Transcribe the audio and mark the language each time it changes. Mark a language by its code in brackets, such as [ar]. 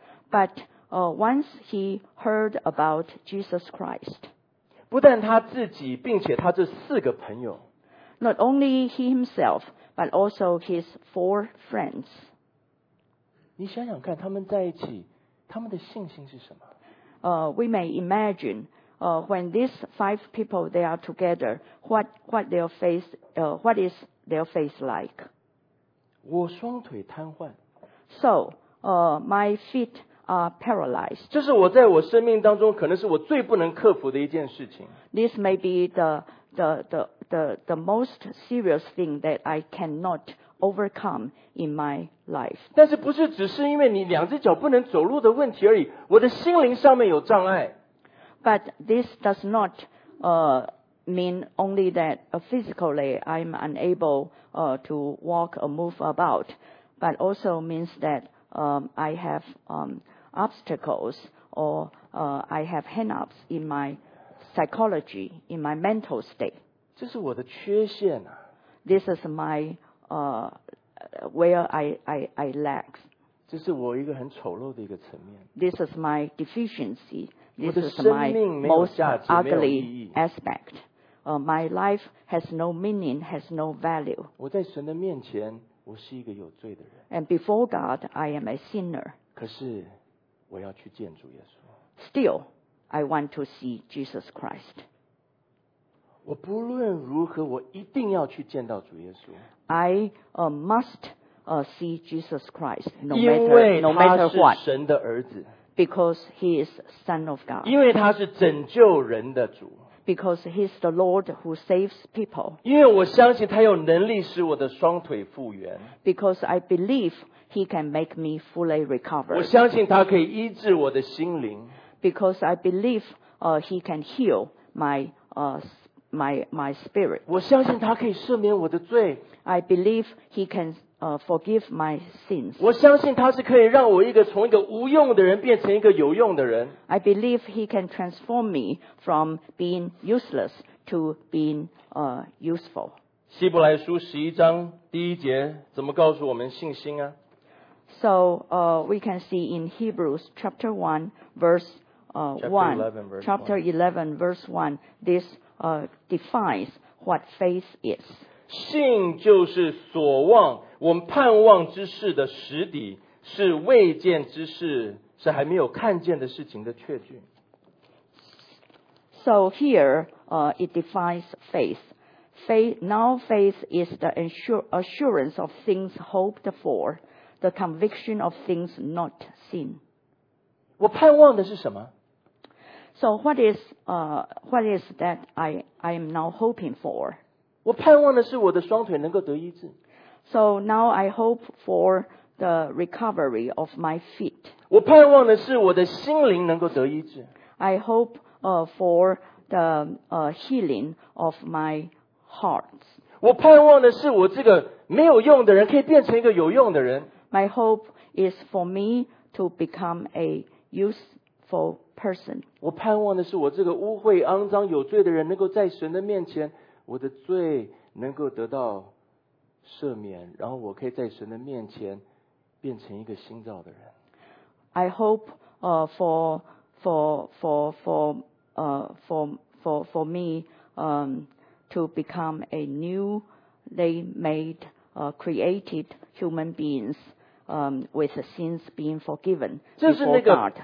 [en] But once he heard about Jesus Christ, [zh] 不但他自己，并且他这四个朋友， [en] not only he himself, but also his four friends. [zh] 你想想看，他们在一起，他们的信心是什么？ [en] We may imagine. When these five people they are together, what is their face like? [zh] 我双腿瘫痪。 [en] So, my feet are paralyzed. [zh] 这是我在我生命当中可能是我最不能克服的一件事情。 [en] This may be the most serious thing that I cannot overcome in my life. [zh] 但是不是只是因为你两只脚不能走路的问题而已，我的心灵上面有障碍。 [en] But this does not mean only that physically I'm unable to walk or move about, but also means that I have obstacles or I have hang-ups in my psychology, in my mental state. [zh] 这是我的缺陷啊。 [en] This is my where I lack. [zh] 这是我一个很丑陋的一个层面。 [en] This is my deficiency. This is my most ugly aspect. My life has no meaning, has no value. [zh] 我在神的面前，我是一个有罪的人。 [en] And before God, I am a sinner. [zh] 可是我要去见主耶稣。 [en] Still, I want to see Jesus Christ. [zh] 我不论如何，我一定要去见到主耶稣。 [en] I must see Jesus Christ, no matter what. [zh] 因为他是神的儿子。 [en] Because he is Son of God. [zh] 因为他是拯救人的主。 [en] Because he is the Lord who saves people. [zh] 因为我相信他有能力使我的双腿复原。 [en] Because I believe he can make me fully recover. [zh] 我相信他可以医治我的心灵。 [en] Because I believe he can heal my spirit. [zh] 我相信他可以赦免我的罪。 [en] I believe he can. Forgive my sins. [zh] 我相信他是可以让我一个从一个无用的人变成一个有用的人。 [en] I believe he can transform me from being useless to being useful. [zh] 希伯来书十一章第一节怎么告诉我们信心啊？ [en] So we can see in Hebrews chapter 1 verse 1 chapter 11 verse 1 this defines what faith is. [zh] 信就是所望。我们盼望之事的实底是未见之事是还没有看见的事情的确据。 [en] So here, it defines faith. Now faith is the assurance of things hoped for, the conviction of things not seen. [zh] 我盼望的是什么？ [en] So what is that I am now hoping for? [zh] 我盼望的是我的双腿能够得医治。 [en] So now I hope for the recovery of my feet. [zh] 我盼望的是我的心灵能够得医治。 [en] I hope for the healing of my heart. [zh] 我盼望的是我这个没有用的人可以变成一个有用的人。 [en] My hope is for me to become a useful person. [zh] 我盼望的是我这个污秽肮脏有罪的人能够在神的面前我的罪能够得到赦免，然后我可以在神的面前变成一个新造的人。 [en] I hope for me to become a newly made created human beings with sins being forgiven before God.